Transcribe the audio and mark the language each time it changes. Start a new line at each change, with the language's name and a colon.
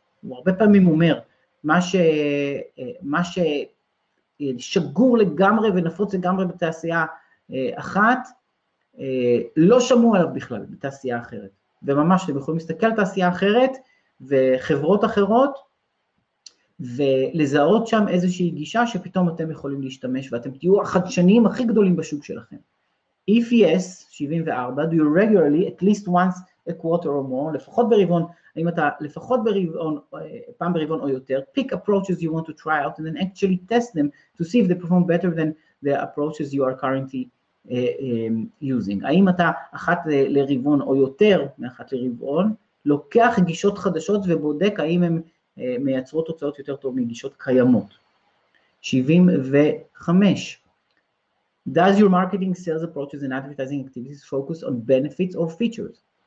Hebrew: הוא הרבה פעמים אומר, מה שגור לגמרי ונפוץ לגמרי בתעשייה אחת, לא שמעו עליו בכלל בתעשייה אחרת. וממש, אתם יכולים להסתכל על תעשייה אחרת, וחברות אחרות, ולזהות שם איזושהי גישה שפתאום אתם יכולים להשתמש, ואתם תהיו החדשנים הכי גדולים בשוק שלכם.
English: If yes, 74, do you regularly, at least once a quarter or more,
Hebrew: לפחות ברבעון, האם אתה לפחות ברבעון, פעם ברבעון או יותר,
English: pick approaches you want to try out, and then actually test them, to see if they perform better than the approaches you are currently using.
Hebrew: האם אתה אחת לרבעון או יותר מאחת לרבעון, לוקח גישות חדשות ובודק האם הן מייצרות תוצאות יותר טוב מגישות קיימות. 75.
English: Does your marketing sales approaches and advertising activities focus on benefits or features?